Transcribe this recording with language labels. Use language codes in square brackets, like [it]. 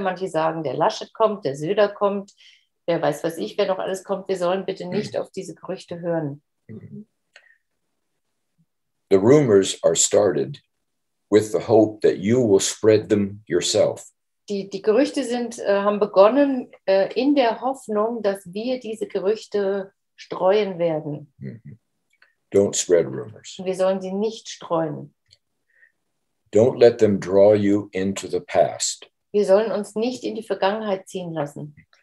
[de] Manche sagen, der Laschet kommt, der Söder kommt. Wer weiß, was ich, wer noch alles kommt. Wir sollen bitte nicht auf diese Gerüchte hören. [en] The rumors are started with the hope that you will spread them yourself. [de] Die Gerüchte sind haben begonnen in der Hoffnung, dass wir diese Gerüchte streuen werden. [en] Mm-hmm. Don't spread rumors. [de] Wir sollen sie nicht streuen. [en] Don't let them draw you into the past. [de] Wir sollen uns nicht in die Vergangenheit ziehen lassen.